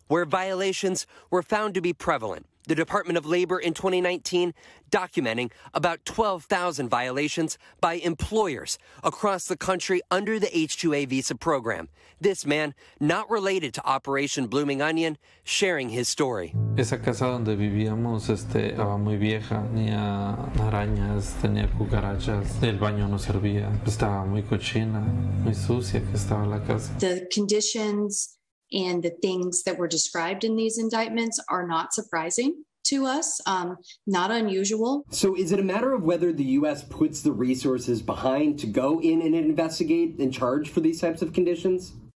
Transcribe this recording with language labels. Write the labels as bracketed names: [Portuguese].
[English] Where violations were found to be prevalent. The Department of Labor in 2019 documenting about 12,000 violations by employers across the country under the H-2A visa program. This man, not related to Operation Blooming Onion, sharing his story. [Spanish] Esa casa donde vivíamos estaba muy vieja, tenía arañas, tenía cucarachas, el baño no servía, estaba muy cochina, muy sucia que estaba la casa. [English] The conditions and the things that were described in these indictments are not surprising to us, not unusual. So is it a matter of whether the U.S. puts the resources behind to go in and investigate and charge for these types of conditions?